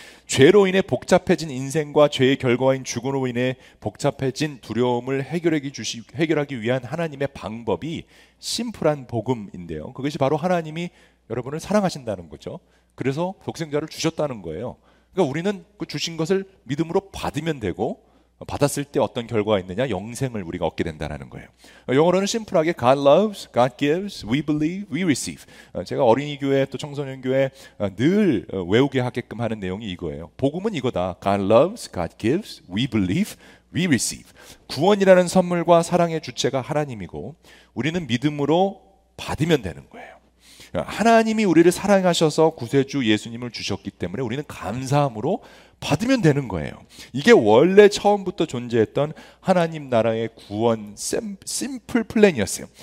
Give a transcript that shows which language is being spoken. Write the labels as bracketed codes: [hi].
[ko] 죄로 인해 복잡해진 인생과 죄의 결과인 죽음으로 인해 복잡해진 두려움을 해결하기 위한 하나님의 방법이 심플한 복음인데요. 그것이 바로 하나님이 여러분을 사랑하신다는 거죠. 그래서 독생자를 주셨다는 거예요. 그러니까 우리는 그 주신 것을 믿음으로 받으면 되고 받았을 때 어떤 결과가 있느냐? 영생을 우리가 얻게 된다는 거예요. 영어로는 심플하게 [en] God loves, God gives, we believe, we receive. [ko] 제가 어린이 교회 또 청소년 교회 늘 외우게 하게끔 하는 내용이 이거예요. 복음은 이거다. [en] God loves, God gives, we believe, we receive. [ko] 구원이라는 선물과 사랑의 주체가 하나님이고 우리는 믿음으로 받으면 되는 거예요. 하나님이 우리를 사랑하셔서 구세주 예수님을 주셨기 때문에 우리는 감사함으로 받으면 되는 거예요. 이게 원래 처음부터 존재했던 하나님 나라의 구원 심플 플랜이었어요.